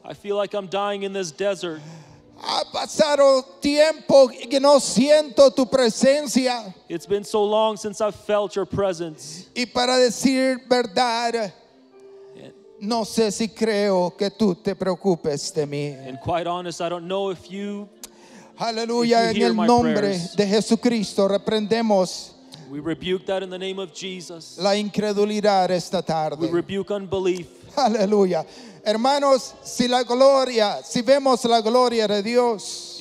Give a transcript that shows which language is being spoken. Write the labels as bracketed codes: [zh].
[en] I feel like I'm dying in this desert. [es] Ha pasado tiempo que no siento tu presencia. [en] It's been so long since I've felt your presence. [es] Y para decir verdad, no sé si creo que tú te preocupes de mí. [en] And quite honest, I don't know if you, hallelujah, if you [es] en el nombre de Jesucristo reprendemos. [en] We rebuke that in the name of Jesus. [es] La incredulidad esta tarde. [en] We rebuke unbelief. [es] Hallelujah. Hermanos, si la gloria, si vemos la gloria de Dios,